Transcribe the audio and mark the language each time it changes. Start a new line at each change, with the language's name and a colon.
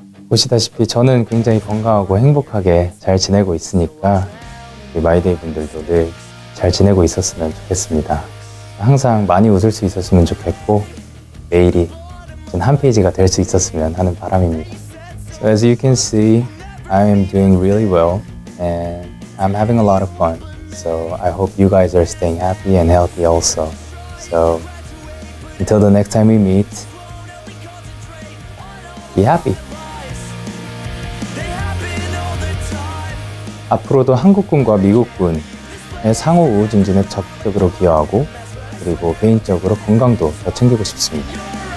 Korean: 보시다시피 저는 굉장히 건강하고 행복하게 잘 지내고 있으니까, 우리 마이데이 분들도 늘 잘 지내고 있었으면 좋겠습니다. 항상 많이 웃을 수 있었으면 좋겠고, 매일이 한 페이지가 될 수 있었으면 하는 바람입니다.
English: So as you can see, I am doing really well and I'm having a lot of fun. So I hope you guys are staying happy and healthy also. So until the next time we meet, be happy.
Korean: 앞으로도 한국군과 미국군의 상호 우호 증진에 적극적으로 기여하고, 그리고 개인적으로 건강도 더 챙기고 싶습니다.